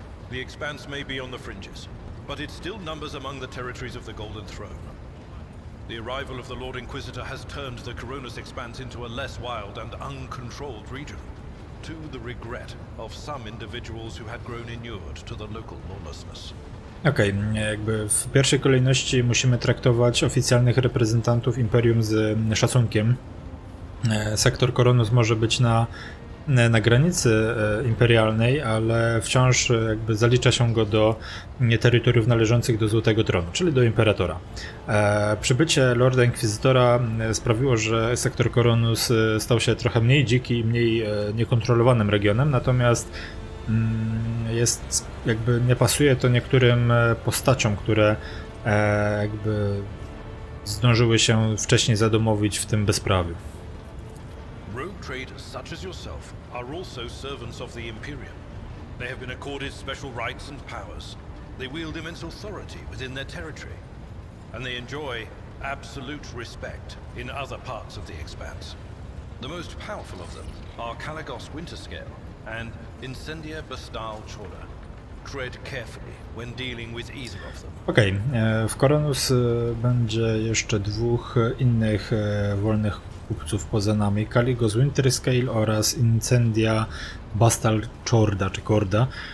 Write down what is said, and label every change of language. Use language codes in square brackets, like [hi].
[en] The Expanse may be on the fringes, but it still numbers among the territories of the Golden Throne. The arrival of the Lord Inquisitor has turned the Coronus Expanse into a less wild and uncontrolled region, to the regret of some individuals who had grown inured to the local lawlessness. [pl] Okej, okay, jakby w pierwszej kolejności musimy traktować oficjalnych reprezentantów Imperium z szacunkiem. Sektor Coronus może być na granicy imperialnej, ale wciąż jakby zalicza się go do terytoriów należących do Złotego Tronu, czyli do Imperatora. Przybycie Lorda Inkwizytora sprawiło, że sektor Coronus stał się trochę mniej dziki i mniej niekontrolowanym regionem, natomiast jest jakby nie pasuje to niektórym postaciom, które jakby zdążyły się wcześniej zadomowić w tym bezprawiu. [en] Rogue traders such as yourself are also servants of the Imperium. They have been accorded special rights and powers. They wield immense authority within their territory. And they enjoy absolute respect in other parts of the Expanse. The most powerful of them are Kalagos Winterscale and Incendia Bastal Chora. Tread carefully when dealing with either of them. [pl] Okej, okay. W Coronus będzie jeszcze dwóch innych wolnych kupców poza nami, Kaligos Winterscale oraz Incendia Bastal Chorda, czy Korda.